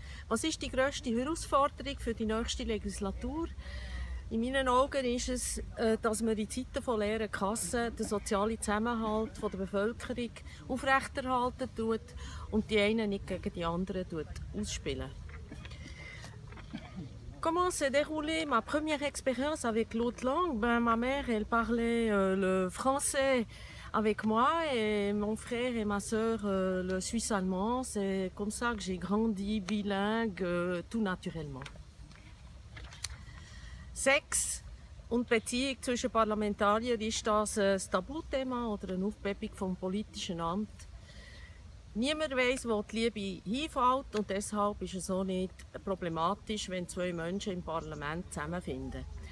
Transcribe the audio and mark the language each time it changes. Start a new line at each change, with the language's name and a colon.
German: Was ist die grösste Herausforderung für die nächste Legislatur? In meinen Augen ist es, dass wir in Zeiten von leeren Kassen den sozialen Zusammenhalt der Bevölkerung aufrechterhalten tut und die einen nicht gegen die anderen ausspielen.
French: Comment s'est déroulée ma première expérience avec l'autre langue? Ben, ma mère, elle parlait le français avec moi et mon frère et ma sœur le suisse-allemand. C'est comme ça que j'ai grandi bilingue tout naturellement.
German: Sex und Beziehung zwischen Parlamentariern, ist das ein Tabuthema oder eine Aufbebung vom politischen Amt? Niemand weiss, wo die Liebe hinfällt und deshalb ist es auch nicht problematisch, wenn zwei Menschen im Parlament zusammenfinden.